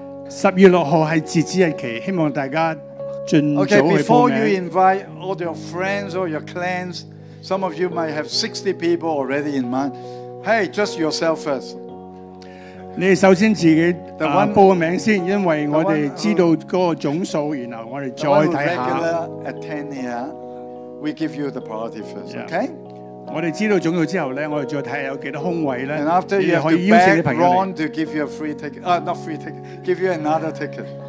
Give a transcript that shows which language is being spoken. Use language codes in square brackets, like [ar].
[yue] 12月6日係截止日期，希望大家盡早去報名。 [en] Okay, before you invite all your friends or your clans, some of you might have 60 people already in mind. Hey, just yourself first. [yue] 你首先自己報名先，因為我哋知道嗰個總數，然後我哋再睇下。 [en] We give you the priority first, okay? [yue] 我哋知道總數之後咧，我哋再睇下有幾多空位咧。 [en] And after you have to beg Ron to give you a free ticket, not free ticket, give you another ticket.